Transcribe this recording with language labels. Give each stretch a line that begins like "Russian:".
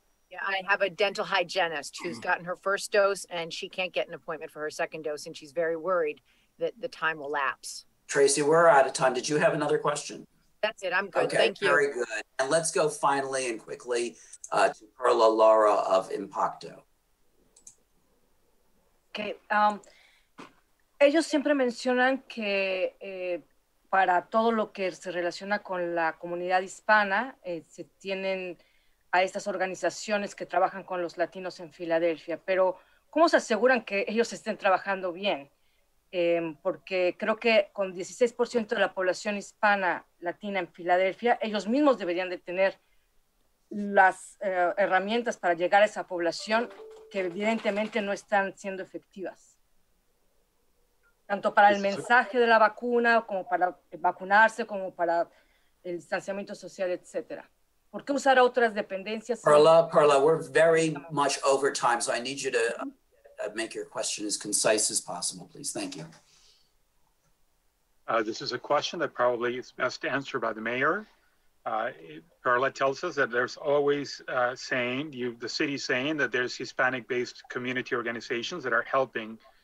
English: Yeah, I have a dental hygienist who's gotten her first dose, and she can't get an appointment for her second dose, and she's very worried that the time will lapse. Tracy, we're out of time. Did you have another question? That's it. I'm good. Okay, thank you. Very good. And let's go finally and quickly to Perla Lara of Impacto. Okay.
Spanish: Ellos siempre mencionan que para todo lo que se relaciona con la comunidad hispana, se tienen a estas organizaciones que trabajan con los latinos en Filadelfia, pero ¿cómo se aseguran que ellos estén trabajando bien? Porque creo que con 16% de la población hispana latina en Filadelfia, ellos mismos deberían de tener las herramientas para llegar a esa población que evidentemente no están siendo efectivas, tanto para el mensaje de la vacuna, como para vacunarse, como para el distanciamiento social, etc. ¿Por qué usar otras dependencias?
English: Perla, we're very much over time, so I need you to make your question as concise as possible, please. Thank you. This is a question that probably is best answered by the mayor. Perla tells us that there's always the city saying that there's Hispanic-based community organizations that are helping.